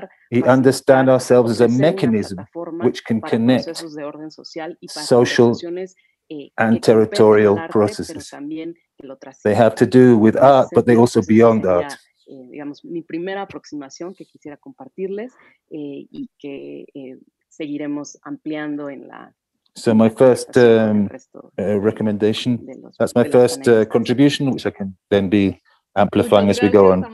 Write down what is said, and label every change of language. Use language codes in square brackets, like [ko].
[en] We understand ourselves as a mechanism which can connect social and territorial processes. They have to do with art, but they also beyond art. [es] Digamos, mi primera aproximación que quisiera compartirles y que seguiremos ampliando en la. [en] So my first recommendation, that's my first contribution, which I can then be amplifying as we go on.